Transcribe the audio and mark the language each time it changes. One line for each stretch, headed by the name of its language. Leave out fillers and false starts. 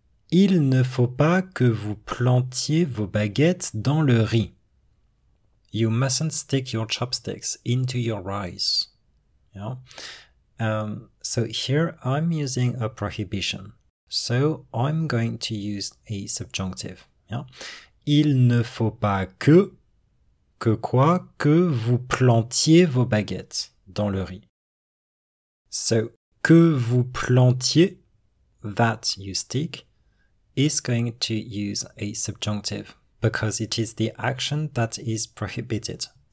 French: Il ne faut pas que vous plantiez vos baguettes dans le riz.
English: You mustn't stick your chopsticks into your rice. Yeah. So here I'm using a prohibition. So I'm going to use a subjunctive. Yeah.
French: Il ne faut pas que... Que quoi? Que vous plantiez vos baguettes dans le riz.
English: So,
French: que vous plantiez,
English: that you stick, is going to use a subjunctive, because it is the action that is prohibited.